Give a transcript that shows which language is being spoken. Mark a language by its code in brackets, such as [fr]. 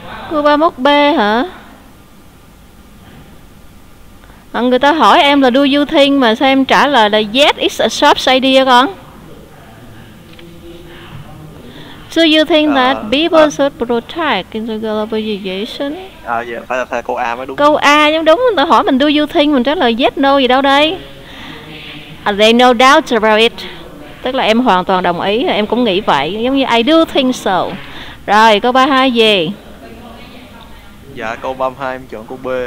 [vi] Cô 31B hả? À, người ta hỏi em là do you think mà sao em trả lời là [en] yes it's a sharp idea [vi] con? [en] Do you think that people should protect in the globalization? [vi] Phải câu A mới đúng. Câu A nhưng đúng, người ta hỏi mình do you think, mình trả lời yes no gì đâu đây. [en] Are there no doubt about it? [vi] Tức là em hoàn toàn đồng ý, em cũng nghĩ vậy, giống như [en] I do think so. [vi] Rồi câu 32 gì? Dạ câu 32 em chọn câu B.